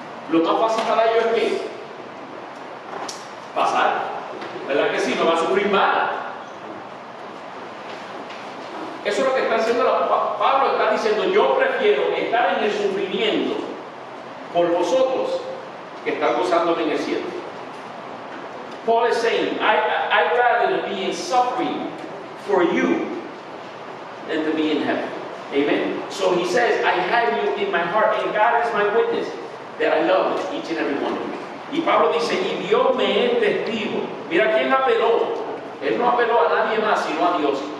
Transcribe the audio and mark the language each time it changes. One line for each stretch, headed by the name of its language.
Spanish: Lo más fácil para ellos es que pasar, ¿verdad que sí? No va a sufrir mal. Eso es lo que está haciendo Pablo, está diciendo, yo prefiero estar en el sufrimiento por vosotros que estar gozando en el cielo.
English: Paul is saying, I'd rather be in suffering for you than to be in heaven. Amen. So he says, I have you in my heart and God is my witness that I love each and every one of you.
Spanish: Y Pablo dice, y Dios me es testigo. Mira quién apeló. Él no apeló a nadie más, sino a Dios.